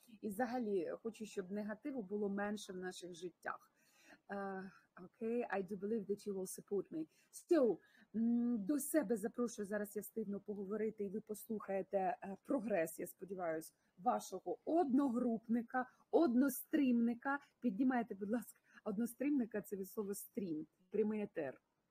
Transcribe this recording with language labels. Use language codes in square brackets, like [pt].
[uk] І взагалі, хочу, щоб негативу було менше в наших життях. [en] Okay, I do believe that you will support me. [uk] So, до себе запрошую, зараз я встигну поговорити, і ви послухаєте прогрес, я сподіваюся, вашого одногрупника, одностримника. Піднімайте, будь ласка, одностримника, це від слова «стрім». Прямий етер.